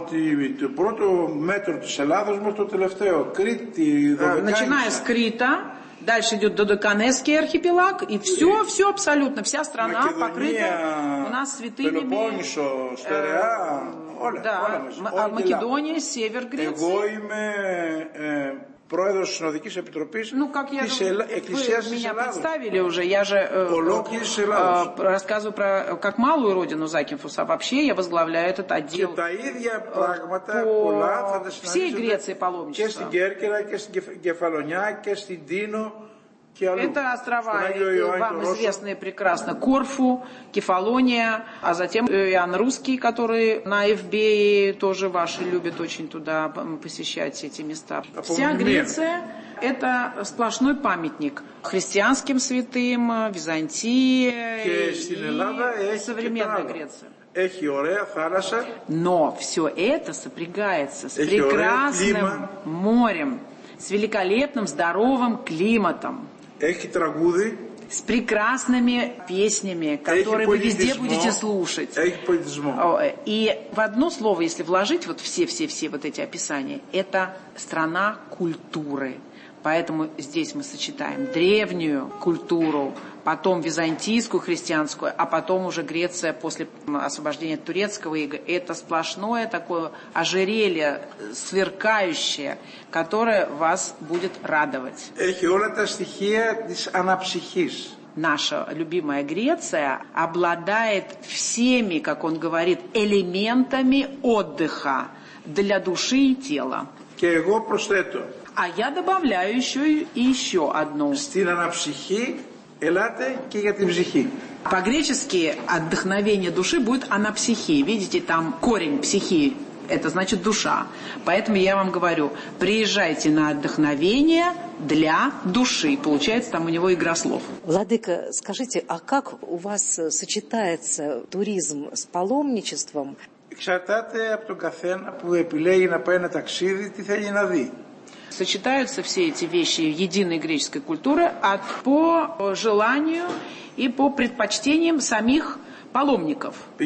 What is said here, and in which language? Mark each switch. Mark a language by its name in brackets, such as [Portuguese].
[Russian] Начиная с Крита, дальше идет Додеканесский архипелаг, и все, все абсолютно, вся страна Македония, покрыта у нас святыми. Пелопоннесо, Стерреа, да, Македония, север Греции. [Greek] Πρόεδρος της Συνοδικής Επιτροπής της Εκκλησίας της Ελλάδος. [Russian] Рассказываю про как малую родину Закинфуса, а вообще я возглавляю этот отдел. [Greek] Και τα ίδια πράγματα πολλά θα τα συναντήσουμε και στην Κέρκυρα και στην Κεφαλονιά και στην Τίνο. [Russian] Это острова, вам известные прекрасно, Корфу, Кефалония, а затем Иоанн Русский, который на Эвбее тоже ваши любят очень туда посещать эти места. Вся Греция – это сплошной памятник христианским святым, Византии и современной Греции. [Greek] Έχει ωραία θάλασσα. [Russian] Но все это сопрягается с прекрасным морем, с великолепным здоровым климатом. [Greek] Έχει τραγούδι. [Russian] С прекрасными песнями, которые вы везде будете слушать. [Greek] Έχει политизмό. [Russian] И в одно слово, если вложить вот все-все-все вот эти описания, это страна культуры. Поэтому здесь мы сочетаем древнюю культуру, потом византийскую, христианскую, а потом уже Греция после освобождения турецкого ига. Это сплошное такое ожерелье, сверкающее, которое вас будет радовать. [Greek] Έχει όλα τα стихия της αναψυχής. [Russian] Наша любимая Греция обладает всеми, как он говорит, элементами отдыха для души и тела. [Greek] Και εγώ προσθέτω. [Russian] А я добавляю еще одну. [Greek] Στην αναψυχή ελάτε και για την ψυχή. [Russian] По-гречески отдохновение души будет «анапсихи». Видите, там корень «психи» – это значит «душа». Поэтому я вам говорю, приезжайте на отдохновение для души. Получается, там у него игра слов. Владыка, скажите, а как у вас сочетается туризм с паломничеством? [Greek] Εξαρτάται από τον καθένα που επιλέγει να πάει ένα ταξίδι, τι θέλει να δει. [Russian] Сочетаются все эти вещи единой греческой культуры от по желанию и по предпочтениям самих паломников.